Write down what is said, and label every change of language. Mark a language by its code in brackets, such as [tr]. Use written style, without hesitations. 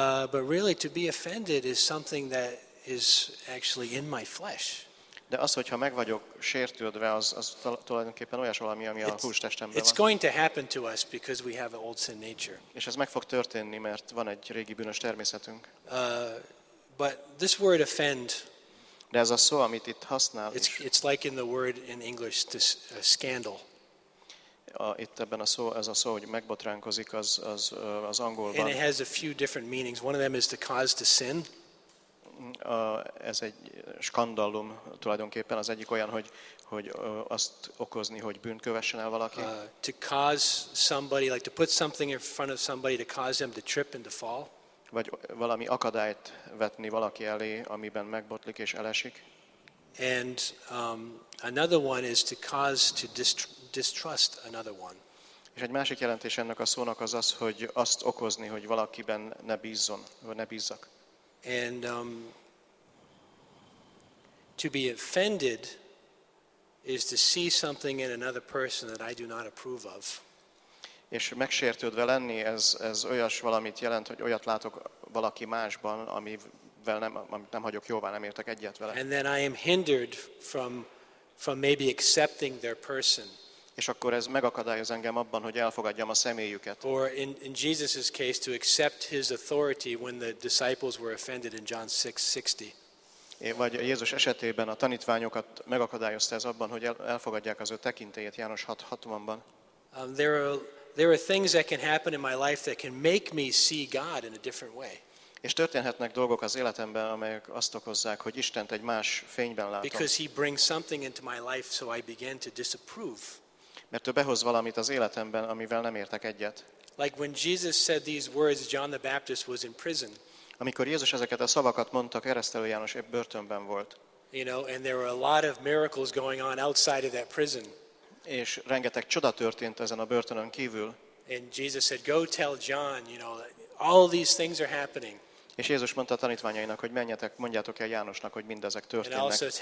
[en] But really, to be offended is something that is actually in my flesh. [hu] De az, hogyha meg vagyok sértődve, az tulajdonképpen olyas valami, ami a hústestemben van. [en] It's going to happen to us because we have an old sin nature. [hu] És ez meg fog történni, mert van egy régi bűnös természetünk. [en] But this word offend. [hu] De ez a szó, amit itt használ. [en] It's like in the word in English to scandal. [hu] Itt ebben a szó, ez a szó, hogy megbotránkozik, az angolban. [en] And it has a few different meanings. One of them is to cause to sin. [hu] Ez egy skandalum tulajdonképpen, az egyik olyan, hogy azt okozni, hogy bűnt kövessen el valaki. [en] To cause somebody, like to put something in front of somebody to cause them to trip and to fall. [hu] Vagy valami akadályt vetni valaki elé, amiben megbotlik és elesik. [en] And another one is to cause to distrust another one. [hu] És egy másik jelentés ennek a szónak az, hogy azt okozni, hogy valakiben ne bízzon, vagy ne bízzak. [en] And to be offended is to see something in another person that I do not approve of. [hu] És megsértődve lenni, ez olyas valamit jelent, hogy olyat látok valaki másban, amit nem hagyok jóvá, nem értek egyet vele. [en] And then I am hindered from maybe accepting their person. [hu] És akkor ez megakadályoz engem abban, hogy elfogadjam a személyüket. [en] Or in Jesus's case to accept his authority when the disciples were offended in John 6:60. [hu] Vagy Jézus esetében a tanítványokat megakadályozta ez abban, hogy elfogadják az ő tekintélyét János 6:60-ban. [en] There are things that can happen in my life that can make me see God in a different way. [hu] És történhetnek dolgok az életemben, amelyek azt okozzák, hogy Istent egy más fényben látom. [en] Because he brings something into my life, so I begin to disapprove. [hu] Mert ő behoz valamit az életemben, amivel nem értek egyet. [en] Like when Jesus said these words, John the Baptist was in prison. [hu] Amikor Jézus ezeket a szavakat mondta, Keresztelő János épp börtönben volt. [en] You know, and there were a lot of miracles going on outside of that prison. [hu] És rengeteg csoda történt ezen a börtönön kívül. [en] And Jesus said, "Go tell John, you know, all these things are happening." [hu] És Jézus mondta a tanítványainak, hogy menjetek, mondjátok el Jánosnak, hogy mindezek történnek.